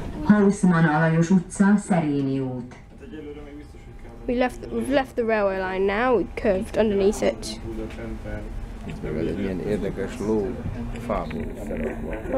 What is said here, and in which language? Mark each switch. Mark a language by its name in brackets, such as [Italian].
[Hungarian] Hausmann Alajos utca, Szerémi út. [English] We've left the railway line now, we've curved underneath it. [Hungarian] Itt meg egy ilyen érdekes ló, fából felakva.